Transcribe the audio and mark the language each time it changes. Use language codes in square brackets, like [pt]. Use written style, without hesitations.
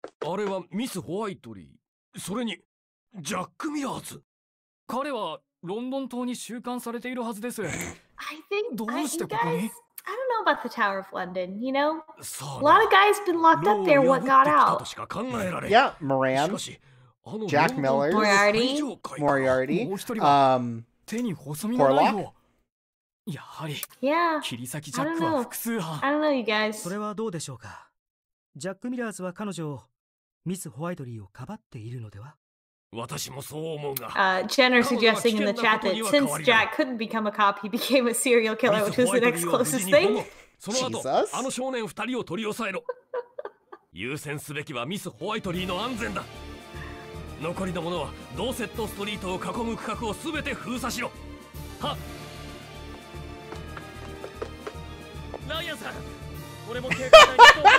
[ja] あれはミス・ホワイトリー。それにジャック・ミラーズ。彼はロンドン島に収監されているはずです。 [en] I think, [ja] どうしてここに？ [en] I don't know about the Tower of London, you know? A lot of guys been locked up there what got out. Yeah, Moran. Jack Miller. Moriarty. Horlock. Yeah. I don't know, you guys. [ja] それはどうでしょうか。ジャック・ミラーズは彼女をミス・ホワイトリーをかばっているのでは。私もそう思うが。 [en] Chen is suggesting in the chat that since Jack couldn't become a cop, he became a serial killer, which is the next closest thing. [ja] その後、あの少年二人を取り押さえろ。優先すべきはミス・ホワイトリーの安全だ。残りの者はドーセットストリートを囲む区画をすべて封鎖しろ。はっ。ライアンさん、これも警官隊に投